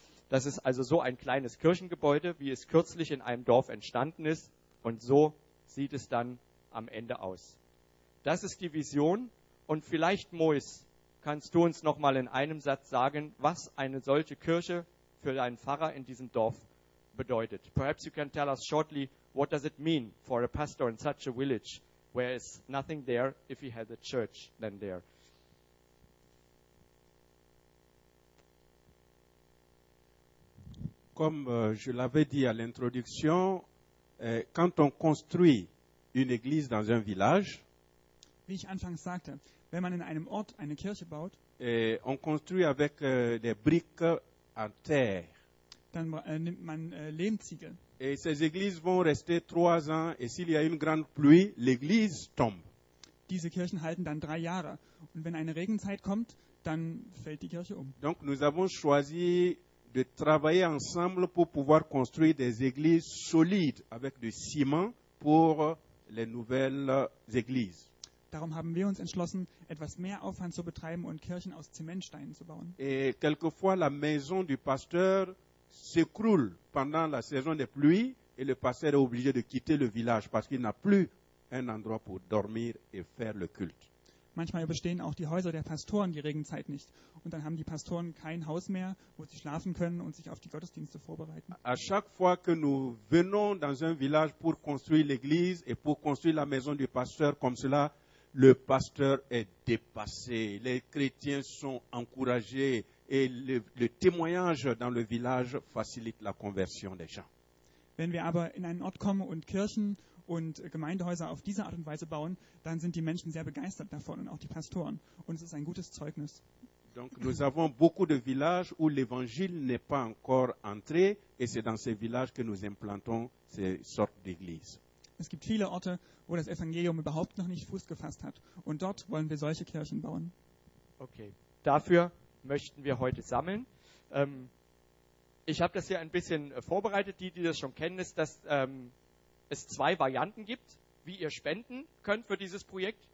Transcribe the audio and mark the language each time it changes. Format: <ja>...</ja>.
<de>Das ist also so ein kleines Kirchengebäude, wie es kürzlich in einem Dorf entstanden ist. Und so sieht es dann am Ende aus. Das ist die Vision. Und vielleicht, Mois, kannst du uns noch mal in einem Satz sagen, was eine solche Kirche für deinen Pfarrer in diesem Dorf bedeutet.</de> <en>Perhaps you can tell us shortly, what does it mean for a pastor in such a village where is nothing there if he had a church then there?</en> <fr>Comme je l'avais dit à l'introduction, quand on construit une église dans un village,</fr> <de>wie ich anfangs sagte, wenn man in einem Ort eine Kirche baut,</de> <fr>on construit avec des briques en terre.</fr> <de>Dann nimmt man Lehmziegel.</de> <fr>Et ces églises vont rester 3 ans et s'il y a une grande pluie, l'église tombe.</fr> <de>Diese Kirchen halten dann 3 Jahre und wenn eine Regenzeit kommt, dann fällt die Kirche um.</de> <fr>Donc nous avons choisi de travailler ensemble pour pouvoir construire des églises solides avec du ciment pour les nouvelles églises.</fr> <de>Darum haben wir uns entschlossen, etwas mehr Aufwand zu betreiben und Kirchen aus Zementsteinen zu bauen.</de> <fr>Et quelquefois la maison du pasteur s'écroule pendant la saison des pluies et le pasteur est obligé de quitter le village parce qu'il n'a plus un endroit pour dormir et faire le culte.</fr> <de>Manchmal überstehen auch die Häuser der Pastoren die Regenzeit nicht und dann haben die Pastoren kein Haus mehr, wo sie schlafen können und sich auf die Gottesdienste vorbereiten.</de> <fr>À chaque fois que nous venons dans un village pour construire l'église et pour construire la maison du pasteur comme cela, le pasteur est dépassé. Les chrétiens sont encouragés et le témoignage dans le village facilite la conversion des gens.</fr> <de>Wenn wir aber in einen Ort kommen und Kirchen und Gemeindehäuser auf diese Art und Weise bauen, dann sind die Menschen sehr begeistert davon und auch die Pastoren. Und es ist ein gutes Zeugnis.</de> <fr>Donc nous avons beaucoup de villages où l'évangile n'est pas encore entré et c'est dans ces villages que nous implantons ces sortes d'églises.</fr> <de>Es gibt viele Orte, wo das Evangelium überhaupt noch nicht Fuß gefasst hat. Und dort wollen wir solche Kirchen bauen. Okay, dafür möchten wir heute sammeln. Ich habe das hier ein bisschen vorbereitet. Die das schon kennen, ist, dass es 2 Varianten gibt, wie ihr spenden könnt für dieses Projekt.</de>